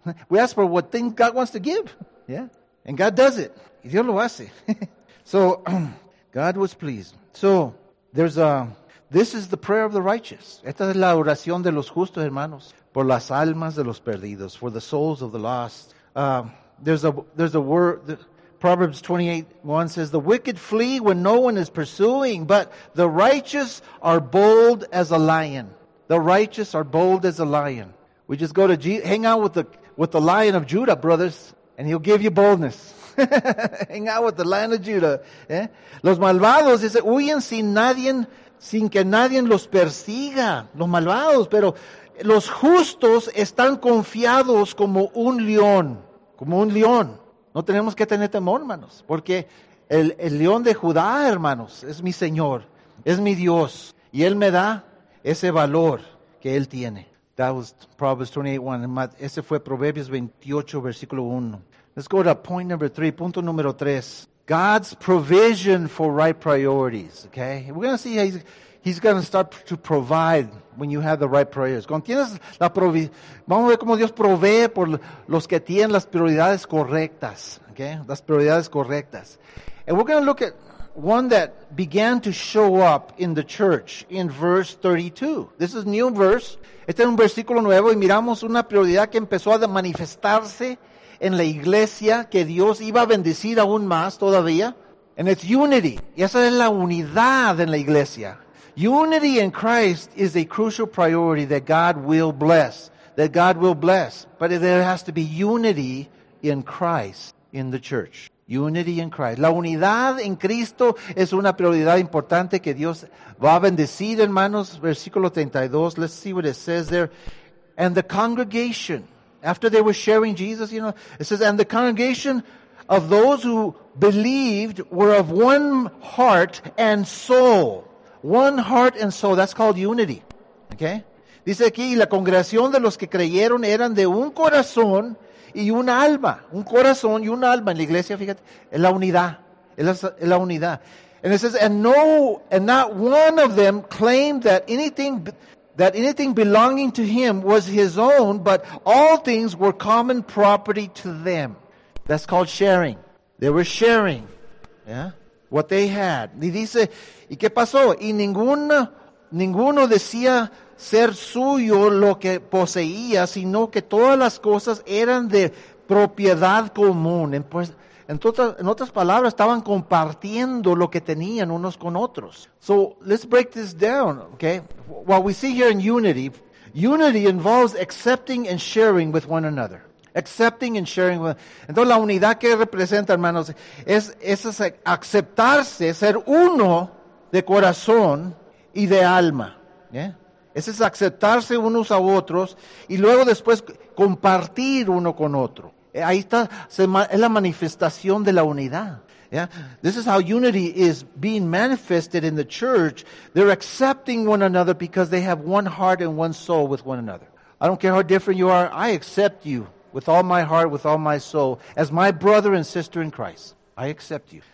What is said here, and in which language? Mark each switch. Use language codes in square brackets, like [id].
[en] We ask for what thing God wants to give. Yeah. And God does it. [es] Y Dios lo hace. [en] So, God was pleased. So, this is the prayer of the righteous. [es] Esta es la oración de los justos, hermanos. Por las almas de los perdidos. [en] For the souls of the lost. There's a word. Proverbs 28:1 says, the wicked flee when no one is pursuing, but the righteous are bold as a lion. The righteous are bold as a lion. We just go to hang out with the Lion of Judah, brothers, and he'll give you boldness. Hang out with the Lion of Judah. ¿Eh? [es] Los malvados, dice, huyen sin que nadie los persiga. Los malvados, pero los justos están confiados como un león. Como un león. No tenemos que tener temor, hermanos, porque el león de Judá, hermanos, es mi Señor, es mi Dios, y Él me da ese valor que Él tiene. [en] That was Proverbs 28:1. [es] Ese fue Proverbios 28:1. [en] Let's go to point number three, [es] punto número tres. [en] God's provision for right priorities, okay? We're going to see how He's going to start to provide when you have the right prayers. [es] Cuando tienes la provisión, vamos a ver cómo Dios provee por los que tienen las prioridades correctas. Okay? Las prioridades correctas. [en] And we're going to look at one that began to show up in the church in verse 32. This is new verse. [es] Este es un versículo nuevo y miramos una prioridad que empezó a manifestarse en la iglesia que Dios iba a bendecir aún más todavía. [en] And it's unity. [es] Y esa es la unidad en la iglesia. [en] Unity in Christ is a crucial priority that God will bless. That God will bless. But there has to be unity in Christ in the church. Unity in Christ. [es] La unidad en Cristo es una prioridad importante que Dios va a bendecir, hermanos. Versículo 32. [en] Let's see what it says there. And the congregation, after they were sharing Jesus, you know, it says, and the congregation of those who believed were of one heart and soul. One heart and soul, that's called unity. Okay? [es] Dice aquí, la congregación de los que creyeron eran de un corazón y un alma. Un corazón y un alma en la iglesia, fíjate. Es la unidad. Es la unidad. [en] And it says, and not one of them claimed that anything belonging to him was his own, but all things were common property to them. That's called sharing. They were sharing, yeah, what they had. [es] Y dice, ¿y qué pasó? Y ninguno decía ser suyo lo que poseía, sino que todas las cosas eran de propiedad común. En otras palabras, estaban compartiendo lo que tenían unos con otros. [en] So, let's break this down, okay? What we see here in unity involves accepting and sharing with one another. Accepting and sharing with [es] Entonces, la unidad que representa, hermanos, es aceptarse, ser uno de corazón y de alma, yeah? Ese es aceptarse unos a otros y luego después compartir uno con otro. Ahí está, es la manifestación de la unidad. [en] Yeah? This is how unity is being manifested in the church. They're accepting one another because they have one heart and one soul with one another. I don't care how different you are, I accept you with all my heart, with all my soul, as my brother and sister in Christ. I accept you.